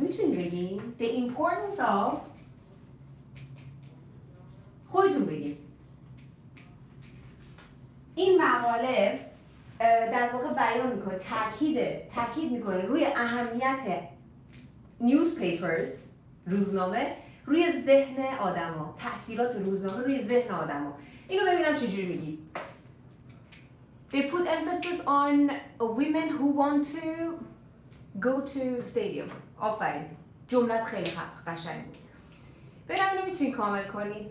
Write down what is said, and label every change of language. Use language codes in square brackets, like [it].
[fa] میتونی بگی [en] the importance of، [fa] خودتون بگی این مقاله در واقع بیان میکنه، تاکید میکنه روی اهمیت newspapers روزنامه روی ذهن آدم ها، تأثیرات روزنامه روی ذهن آدم ها. اینو ببینم چجوری میگی. [en] They put emphasis on women who want to go to stadium. [fa] آفرین، جملت خیلی قشنگ بود. ببینم اینو میتونی کامل کنی.